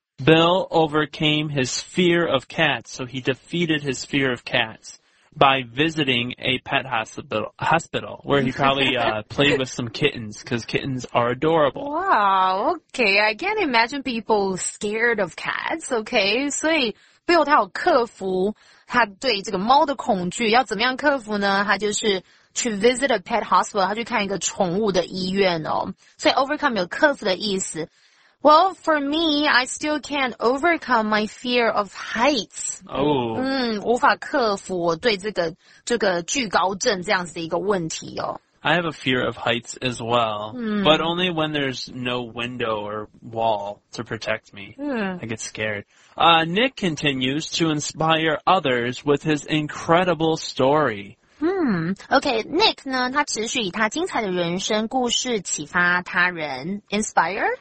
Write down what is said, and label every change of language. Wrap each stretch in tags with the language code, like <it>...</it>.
<en>Bill overcame his fear of cats, so he defeated his fear of cats. By visiting a pet hospital, where he probably, played with some kittens, because kittens are adorable. Wow, okay, I can't imagine people scared of cats, okay?</en> <zh>所以 Bill 他有克服他对这个猫的恐惧，要怎么样克服呢？他就是去</zh> <en>visit a pet hospital,</en> <zh>他去看一个宠物的医院哦。所以 overcome 有克服的意思。</zh> <en>Well, for me, I still can't overcome my fear of heights. Oh.</en> <zh>无法克服我对这个惧高症这样子的一个问题哦。</zh> <en>I have a fear of heights as well, but only when there's no window or wall to protect me. I get scared. Nick continues to inspire others with his incredible story.</en> <zh>Okay, Nick 呢他持续以他精彩的人生故事启发他人 ,inspire?</zh>